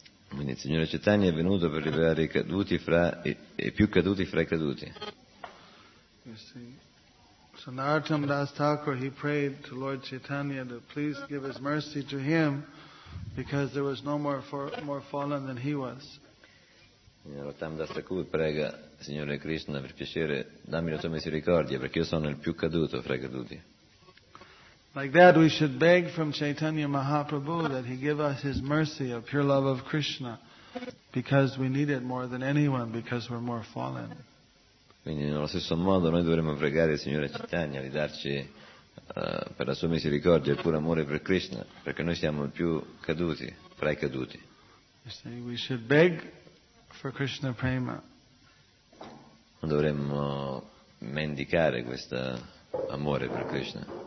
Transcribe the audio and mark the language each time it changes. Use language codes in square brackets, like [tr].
[it] Quindi il Signore Chaitanya è venuto per liberare i più caduti fra i caduti. [en] So Narottam Das Thakur, he prayed to Lord Chaitanya to please give his mercy to him because there was no more fallen than he was. [it] Narottam Das Thakur prega, Signore Krishna, per piacere, dammi la tua misericordia perché io sono il più caduto fra i caduti. [en] Like that we should beg from Chaitanya Mahaprabhu that he give us his mercy of pure love of Krishna because we need it more than anyone because we're more fallen. [it] Quindi nello stesso modo noi dovremmo pregare il Signore Chaitanya di darci per la sua misericordia il puro amore per Krishna perché noi siamo più caduti fra i caduti. [en] We should beg for Krishna Prema. [it] Dovremmo mendicare questa amore per Krishna.